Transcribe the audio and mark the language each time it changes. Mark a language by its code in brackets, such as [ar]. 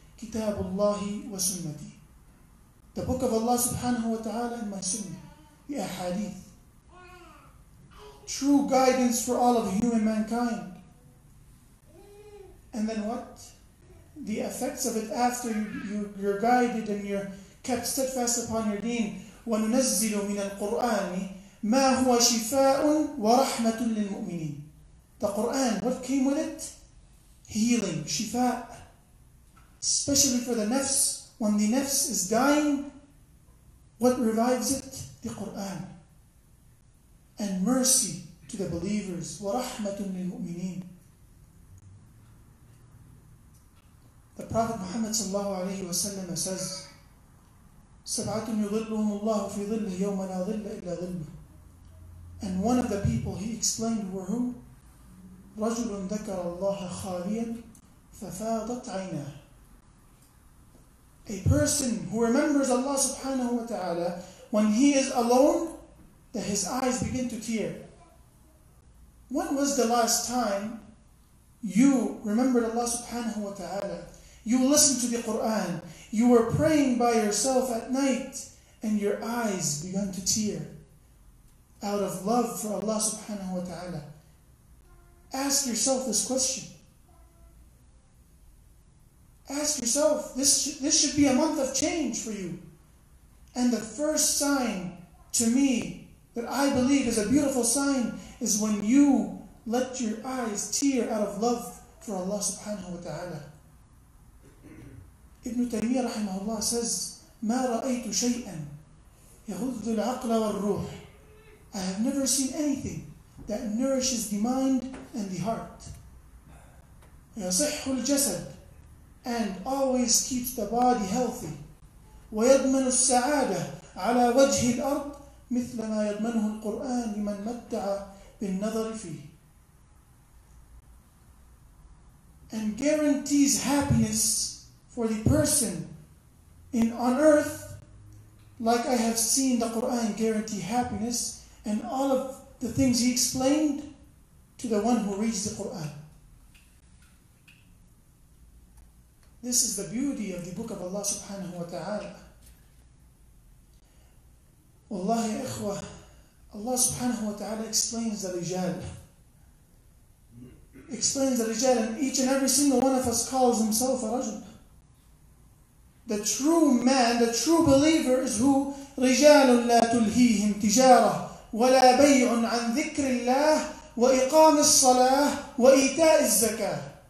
[ar] كتاب الله وسنتي. [en] The book of Allah subhanahu wa ta'ala and my sunnah. The ahadith. True guidance for all of human mankind. And then what? The effects of it after you're guided and you're kept steadfast upon your deen. [ar] وننزل من القرآن ما هو شفاء ورحمة للمؤمنين. [en] The Qur'an, what came with it? Healing, shifa', especially for the nafs. When the nafs is dying, what revives it? The Qur'an. And mercy to the believers. [ar] وَرَحْمَةٌ لِلْمُؤْمِنِينَ. [en] The Prophet Muhammad sallallahu alayhi wa sallam says, [ar] سَبْعَةٌ يُظِلُّهُمُ اللَّهُ فِي ظِلِّهِ يَوْمَ لَا ظِلَّ إِلَّا ظِلُّهُ. [en] And one of the people he explained were who? [ar] رجل ذكر الله خاليا ففاضت عيناه. [en] A person who remembers Allah subhanahu wa ta'ala, when he is alone, that his eyes begin to tear. When was the last time you remembered Allah subhanahu wa ta'ala? You listened to the Qur'an, you were praying by yourself at night, and your eyes began to tear out of love for Allah subhanahu wa ta'ala. Ask yourself this question. Ask yourself, this should be a month of change for you. And the first sign to me that I believe is a beautiful sign is when you let your eyes tear out of love for Allah subhanahu wa ta'ala. Ibn Taymiyyah rahimahullah says, [ar] مَا رَأَيْتُ شَيْئًا يَهُذُّ الْعَقْلَ وَالْرُوحِ. [en] I have never seen anything that nourishes the mind and the heart. [ar] يَصِحُّ الْجَسَدِ, [en] and always keeps the body healthy. [ar] وَيَضْمَنُ السَّعَادَةِ عَلَى وَجْهِ الْأَرْضِ مِثْلَ مَا يَضْمَنُهُ الْقُرْآنِ لِمَنْ مَتَّعَ بِالنَّظَرِ فِيهِ. [en] And guarantees happiness for the person in on earth, like I have seen the Qur'an guarantee happiness and all of the things he explained to the one who reads the Qur'an. This is the beauty of the book of Allah subhanahu wa ta'ala. Wallahi ikhwa, Allah subhanahu wa ta'ala explains the rijal, and each and every single one of us calls himself a rajul. The true man, the true believer is who? [ar] رجال لا تلهيهم تجارة ولا بيع عن ذكر الله وإقام الصلاة وإيتاء الزكاة.